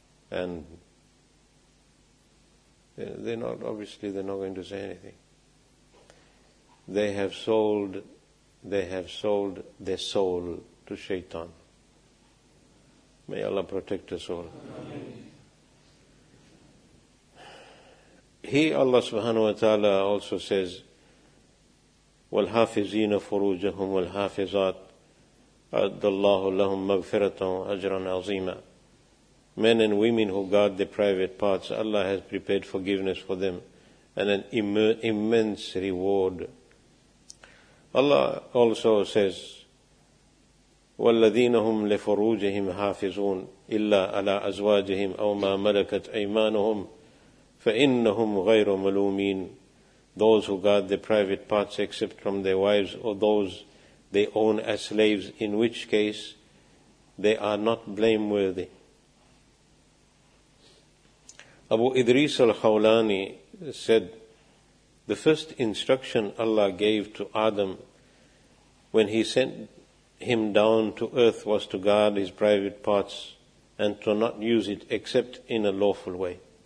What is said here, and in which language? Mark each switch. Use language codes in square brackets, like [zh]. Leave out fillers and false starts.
[en] And they're not, obviously they're not going to say anything. They have sold their soul to shaitan. May Allah protect us all. Amen. He, Allah subhanahu wa ta'ala, also says, [ar] وَالْحَافِزِينَ فُرُوجَهُمْ وَالْحَافِزَاتِ أَدَّ اللَّهُ لَهُمْ مَغْفِرَةً أَجْرًا عَظِيمًا. [en] Men and women who guard their private parts, Allah has prepared forgiveness for them and an immense reward. Allah also says, [ar] وَالَّذِينَ هُمْ لِفُرُوجِهِمْ حَافِظُونَ إِلَّا عَلَىٰ أَزْوَاجِهِمْ أَوْ مَا مَلَكَتْ أَيْمَانُهُمْ فَإِنَّهُمْ غَيْرُ مَلُومِينَ. [en] Those who guard their private parts except from their wives or those they own as slaves, in which case they are not blameworthy. Abu Idris al-Khawlani said, the first instruction Allah gave to Adam when he sent him down to earth was to guard his private parts and to not use it except in a lawful way.